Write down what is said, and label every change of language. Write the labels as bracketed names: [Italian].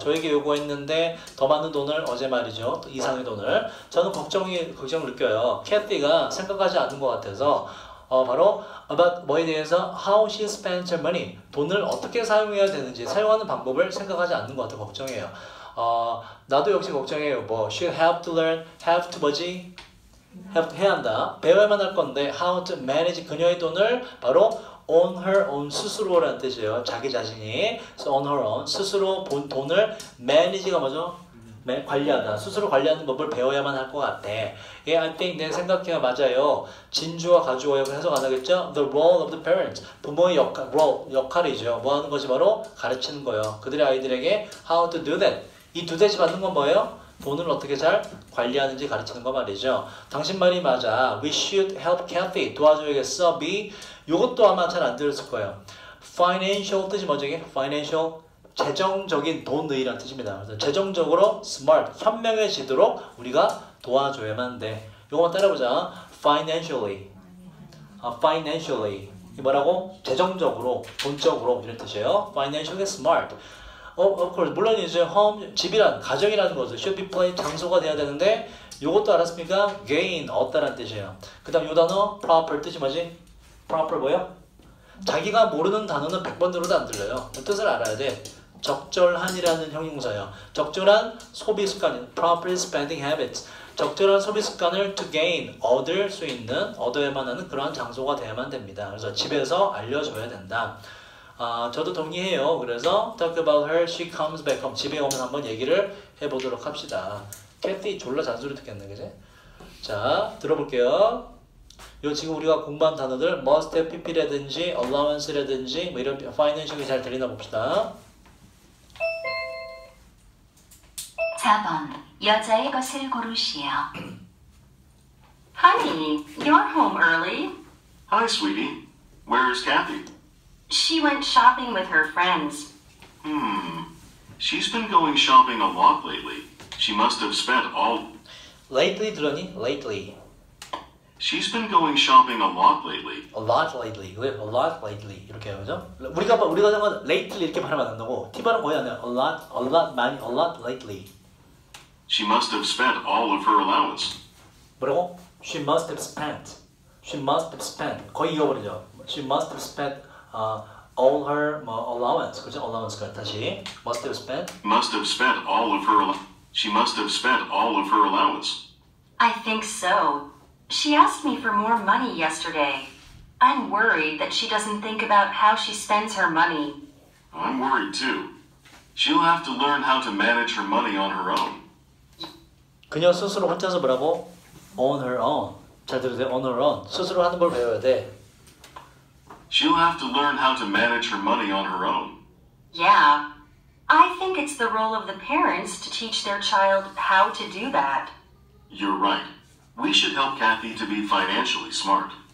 [Korean] 저에게 요구했는데 더 많은 돈을 어제 말이죠. 이상의 돈을. 저는 걱정을 느껴요. Kathy가 생각하지 않은 것 같아서. 바로 [English] about [Korean] 뭐에 대해서 [English] how she spent her money. [Korean] 돈을 어떻게 사용해야 되는지 사용하는 방법을 생각하지 않는 것 같아 걱정해요. 나도 역시 걱정해요. [English] 뭐 she have to learn, have to [Korean] 뭐지? have to 해야 한다. 배워야만 할 건데 [English] how to manage [Korean] 그녀의 돈을 바로 [English] on her own [Korean] 스스로라는 뜻이에요. 자기 자신이. [English] So on her own [Korean] 스스로 본 돈을 manage가 뭐죠? 관리하다. 스스로 관리하는 법을 배워야만 할 것 같아. [English] Yeah, I think [Korean] 내 생각해요. 맞아요. 진주와 가주어요. 해석 안 하겠죠? [English] The role of the parents. [Korean] 부모의 역할이죠. 뭐 하는 것이 바로 가르치는 거예요. 그들의 아이들에게 [English] how to do that. [Korean] 이 두 대씩 받는 건 뭐예요? 돈을 어떻게 잘 관리하는지 가르치는 거 말이죠. 당신 말이 맞아. [English] We should help Kathy. [Korean] 도와줘야겠어. Be. 이것도 아마 잘 안 들었을 거예요. Financial 뜻이 뭐죠? [English] Financial. [Korean] 재정적인 돈의라는 뜻입니다. 그래서 재정적으로 smart, 현명해지도록 우리가 도와줘야만 돼. 요거만 따라해보자. Financially. Financially. 뭐라고? 재정적으로, 돈적으로 이런 뜻이에요. [English] Financially smart. [Korean] Of course, 물론 이제 home, 집이란, 가정이라는 거죠. [English] Should be place, [Korean] 장소가 돼야 되는데 요것도 알았습니까? Gain, 얻다라는 뜻이에요. 그 다음 요 단어, proper 뜻이 뭐지? Proper 뭐예요? 자기가 모르는 단어는 100번 들어도 안 들려요. 뜻을 알아야 돼. 적절한이라는 형용사예요. 적절한 소비 습관, [English] properly spending habits. [Korean] 적절한 소비 습관을 [English] to gain, [Korean] 얻을 수 있는, 얻어야만 하는 그러한 장소가 되어야만 됩니다. 그래서 집에서 알려줘야 된다. 저도 동의해요. 그래서 [English] talk about her, she comes back home. [Korean] 집에 오면 한번 얘기를 해보도록 합시다. 캐티 졸라 잔소리 듣겠네, 그제? 자, 들어볼게요. 요 지금 우리가 공부한 단어들 [English] must have pp [Korean] 라든지 allowance라든지 뭐 이런 financial이 잘 들리나 봅시다. 4번 여자의 것을 고르시오. [English] Honey, you're home early. Hi, sweetie. Where is Kathy? She went shopping with her friends. She's been going shopping a lot lately. She must have spent all... Lately 들었니? Lately. She's been going shopping a lot lately. A lot lately. A lot lately. [Korean] 이렇게 하죠? 우리가 하는 건 lately 이렇게 발음 안 한다고. T 발음 거의 안 해요. A lot lately. [English] She must have spent all of her allowance. [Korean] 뭐라고? [English] She must have spent. She must have spent. [Korean] 거의 이어버리죠. [English] She must have spent all her allowance. [Korean] 그렇죠? Allowance가 다시. [English] Must have spent. Must have spent all of her allowance. She must have spent all of her allowance. I think so. She asked me for more money yesterday. I'm worried that she doesn't think about how she spends her money. I'm worried too. She'll have to learn how to manage her money on her own. [Korean] 그녀 스스로 혼자서 뭐라고? [English] On her own. [Korean] 잘 들으세요. [English] On her own. [Korean] 스스로 하는 걸 배워야 돼. [English] She'll have to learn how to manage her money on her own. Yeah. I think it's the role of the parents to teach their child how to do that. You're right. We should help Kathy to be financially smart.